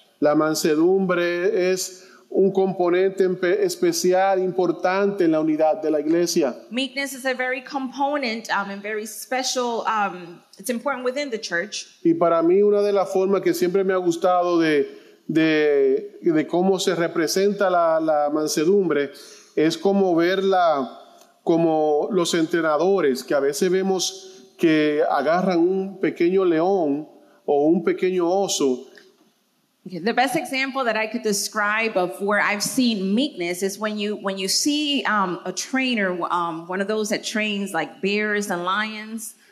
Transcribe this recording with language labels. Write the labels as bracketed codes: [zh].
[es] La mansedumbre es un componente especial, importante en la unidad de la iglesia. [en] Meekness is a very component and very special, it's important within the church. [es] Y para mí una de las formas que siempre me ha gustado de cómo se representa la mansedumbre es como verla como los entrenadores, que a veces vemos que agarran un pequeño león o un pequeño oso. [en] The best example that I could describe of where I've seen meekness is when you see a trainer, one of those that trains like bears and lions.